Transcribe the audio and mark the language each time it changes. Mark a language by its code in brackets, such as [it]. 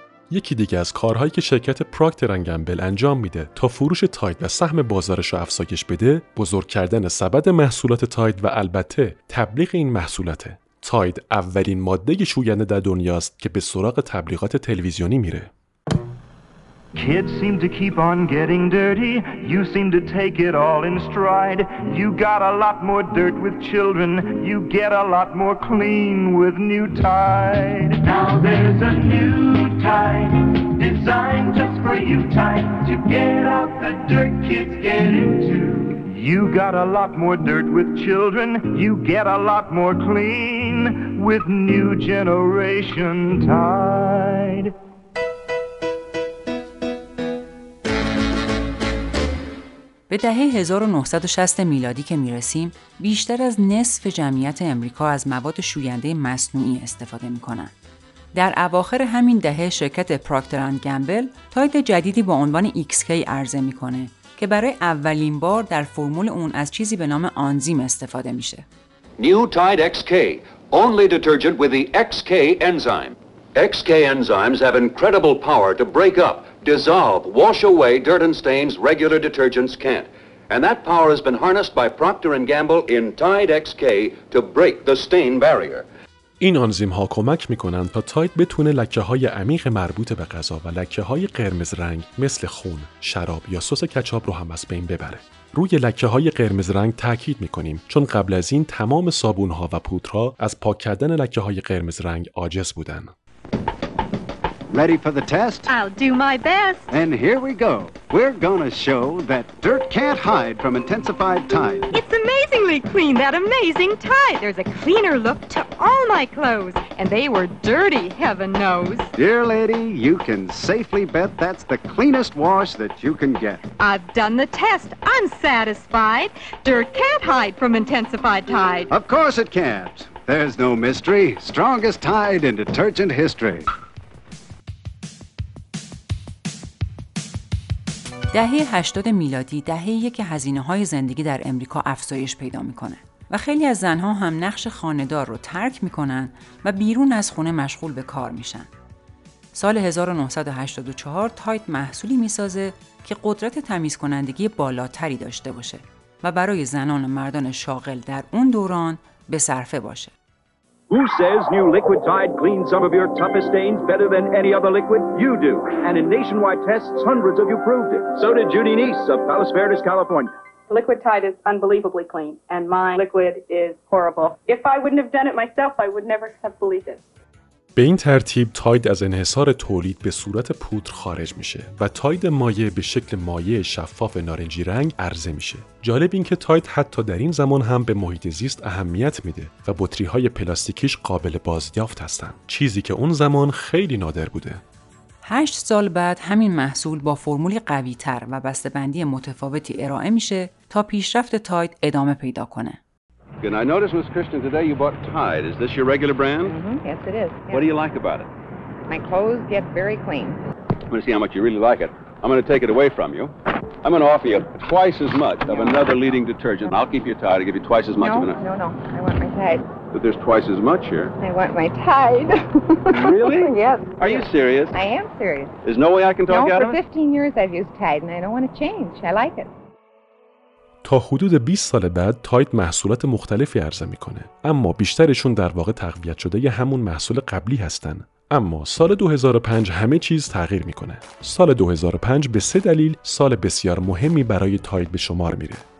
[fa] یکی دیگه از کارهایی که شرکت پراکتر اند گمبل انجام میده تا فروش تاید و سهم بازارش رو افزایش بده، بزرگ کردن سبد محصولات تاید و البته تبلیغ این محصولاته. تاید اولین ماده شوینده در دنیاست که به سراغ تبلیغات تلویزیونی میره. [en] Kids seem to keep on getting dirty. You seem to take it all in stride. You got a lot more dirt with children. You get a lot more clean with new Tide. Now there's a new Tide designed just for you, Tide, to get out the dirt kids get into. You got a lot more dirt with children. You get a lot more clean with new generation Tide. [fa] به دهه 1960 میلادی که میرسیم، بیشتر از نصف جمعیت امریکا از مواد شوینده مصنوعی استفاده میکنن. در اواخر همین دهه شرکت پراکتر اند گمبل تاید جدیدی با عنوان XK عرضه میکنه که برای اولین بار در فرمول اون از چیزی به نام آنزیم استفاده میشه. [en] New Tide XK, only detergent with the XK enzyme. XK enzymes have incredible power to break up, dissolve, wash away dirt and stains regular detergents can't. And that power has been harnessed by Procter & Gamble in Tide XK to break the stain barrier. [fa] این آنزیم ها کمک میکنن تا تاید بتونه لکه های عمیق مربوط به غذا و لکه های قرمز رنگ مثل خون، شراب یا سس کچاپ رو هم از بین ببره. روی لکه های قرمز رنگ تاکید میکنیم چون قبل از این تمام صابون ها و پودرها از پاک کردن لکه های قرمز رنگ عاجز بودن. [en] Ready for the test? I'll do my best. And here we go. We're gonna show that dirt can't hide from intensified Tide. It's amazingly clean, that amazing Tide. There's a cleaner look to all my clothes. And they were dirty, heaven knows. Dear lady, you can safely bet that's the cleanest wash that you can get. I've done the test. I'm satisfied. Dirt can't hide from intensified Tide. Of course it can't. There's no mystery. Strongest Tide in detergent history. [fa] دهه 80 میلادی دهه‌ای که هزینه‌های زندگی در امریکا افزایش پیدا می‌کنه و خیلی از زن‌ها هم نقش خانه‌دار رو ترک می‌کنن و بیرون از خونه مشغول به کار میشن. سال 1984 تاید محصولی می‌سازه که قدرت تمیزکنندگی بالاتری داشته باشه و برای زنان و مردان شاغل در اون دوران به صرفه باشه. [en] Who says new liquid Tide cleans some of your toughest stains better than any other liquid? You do. And in nationwide tests, hundreds of you proved it. So did Judy Neese of Palos Verdes, California. Liquid Tide is unbelievably clean, and my liquid is horrible. If I wouldn't have done it myself, I would never have believed it. [fa] به این ترتیب تاید از انحصار تولید به صورت پودر خارج میشه و تاید مایع به شکل مایع شفاف نارنجی رنگ عرضه میشه. جالب این که تاید حتی در این زمان هم به محیط زیست اهمیت میده و بطری های پلاستیکیش قابل بازیافت هستن. چیزی که اون زمان خیلی نادر بوده. 8 سال بعد همین محصول با فرمولی قوی تر و بسته‌بندی متفاوتی ارائه میشه تا پیشرفت تاید ادامه پیدا کنه. [en] And I noticed, Miss Christian, today you bought Tide. Is this your regular brand? Mm-hmm. Yes, it is. Yes. What do you like about it? My clothes get very clean. I'm going to see how much you really like it. I'm going to take it away from you. I'm going to offer you twice as much of another leading detergent. I'll keep your Tide. I'll give you twice as much of it. No, I want my Tide. But there's twice as much here. I want my Tide. Really? Yes. Are you serious? I am serious. There's no way I can talk out of it? No, for 15 years I've used Tide, and I don't want to change. I like it. [fa] تا حدود 20 سال بعد تاید محصولات مختلفی عرضه میکنه، اما بیشترشون در واقع تقویت شده یه همون محصول قبلی هستن. اما سال 2005 همه چیز تغییر میکنه. سال 2005 به سه دلیل سال بسیار مهمی برای تاید به شمار میره.